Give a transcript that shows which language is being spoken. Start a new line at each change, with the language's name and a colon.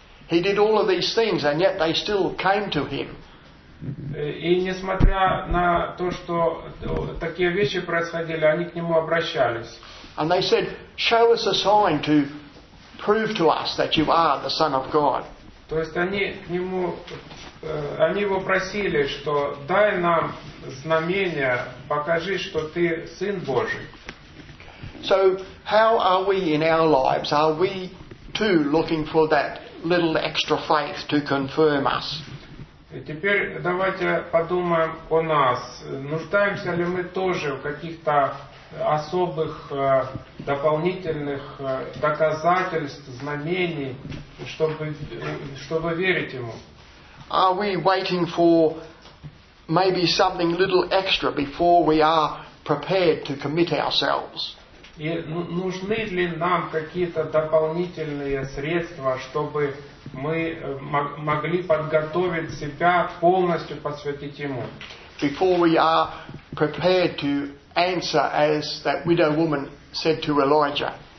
English: He did all of these things, and yet they still came to him.
Russian: И несмотря на то, что такие вещи происходили, они к нему обращались.
English: And they said, "Show us a sign to prove to us that you are the Son of God."
Russian: То есть они к нему, они его просили, что дай нам знамение, покажи, что ты Сын Божий.
English: So how are we in our lives? Are we too looking for that little extra faith to confirm us?
Russian: Теперь давайте подумаем о нас. Нуждаемся ли мы тоже в каких-то особых дополнительных доказательств, знамений, чтобы верить ему?
English: Are we waiting for maybe something little extra before we are prepared to commit ourselves?
Russian: И нужны ли нам какие-то дополнительные средства, чтобы мы могли подготовить себя полностью посвятить ему?
English: Before we are prepared to answer as that widow woman said to Elijah.